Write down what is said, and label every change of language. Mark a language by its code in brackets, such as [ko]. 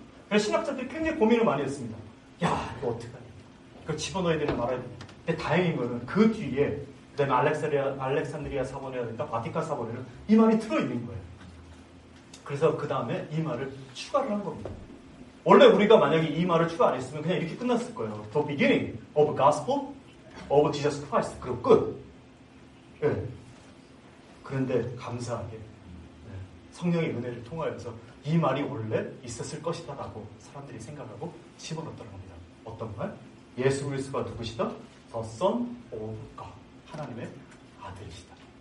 [ko] 그래서 신학자들이 굉장히 고민을 많이 했습니다. 야, 이거 어떡하냐. 그걸 집어넣어야 되나 말아야 되나. 근데 다행인 거는 그 뒤에 그 다음에 알렉산드리아 사본이라든가 바티칸 사본에는 이 말이 들어있는 거예요. 그래서 그 다음에 이 말을 추가를 한 겁니다. 원래 우리가 만약에 이 말을 추가 안 했으면 그냥 이렇게 끝났을 거예요. [en] The beginning of gospel of Jesus Christ. [ko] 그리고 끝. 네. 그런데 감사하게 성령의 은혜를 통하여서 이 말이 원래 있었을 것이다 라고 사람들이 생각하고 집어넣더라고 합니다. 어떤 말? 예수 그리스도가 누구시다? [en] The Son of God. [ko] 하나님의 아들이시다.